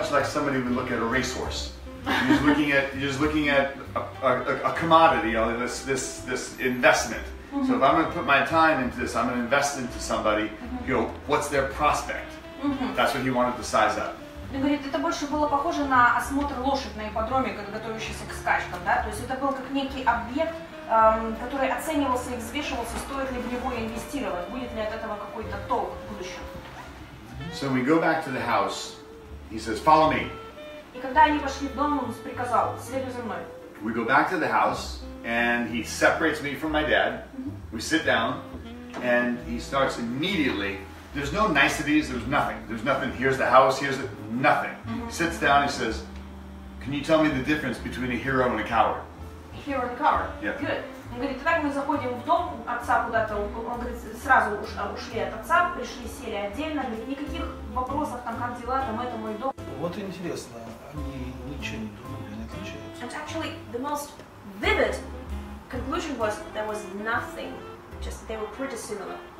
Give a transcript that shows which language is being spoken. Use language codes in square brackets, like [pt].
[en] Much like somebody would look at a racehorse. He's looking at a commodity, this investment. Mm-hmm. So if I'm going to put my time into this, I'm going to invest into somebody, mm-hmm. What's their prospect? Mm-hmm. That's what he wanted to size up. [ru] Он говорит, это больше было похоже на осмотр лошадь на ипподроме, готовящийся к скачкам, да? То есть это был как некий объект, который оценивался и взвешивался, стоит ли в него инвестировать, будет ли от этого какой-то толк в будущем. [en] So we go back to the house, he says, follow me. [ru] И когда они вошли в дом, он приказал, следуй за мной. [en] We go back to the house, and he separates me from my dad. We sit down, and he starts immediately. There's no niceties, there's nothing. There's nothing, here's the house, here's the, nothing. He sits down, he says, can you tell me the difference between a hero and a coward? A hero and a coward? Yeah. Good. [ru] Он говорит, итак, мы заходим в дом отца куда-то, он говорит, сразу ушли от отца, пришли, сели отдельно, говорит, никаких вопросов, там, как дела, там, это мой дом. Вот интересно, они ничего не думали, они отличаются. [en] And actually, the most vivid conclusion was, there was nothing, just they were pretty similar.